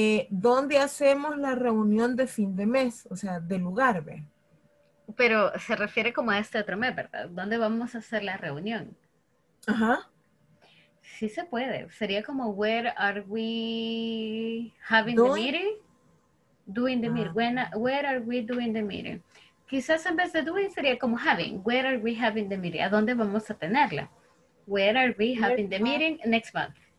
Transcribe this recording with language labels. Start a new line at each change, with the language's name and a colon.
Spanish: ¿Dónde hacemos la reunión de fin de mes? O sea, de lugar, ¿ve? Pero se refiere como a este otro mes, ¿verdad? ¿Dónde vamos a hacer la reunión? Ajá. Sí se puede. Sería como,
English: where are we having the meeting? Doing the meeting. Where are we doing the meeting?
Spanish: Quizás en vez de doing sería como having.
English: Where are we having the meeting?
Spanish: ¿A dónde vamos a tenerla?
English: Where are we having the meeting next month?